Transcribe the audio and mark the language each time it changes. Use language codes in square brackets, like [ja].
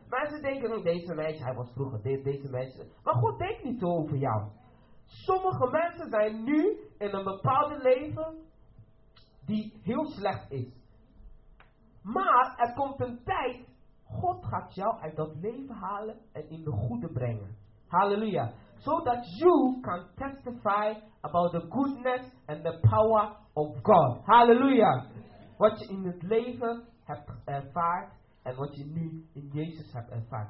[nl] Mensen denken, deze meisje, hij was vroeger deze meisje. Maar God denkt niet zo over jou. Sommige mensen zijn nu in een bepaalde leven die heel slecht is. Maar er komt een tijd, God gaat jou uit dat leven halen en in de goede brengen. Halleluja. [en] So that you can testify about the goodness and the power of God. [nl] Halleluja. Wat je in het leven hebt ervaard. En wat je nu in Jezus hebt ervaard.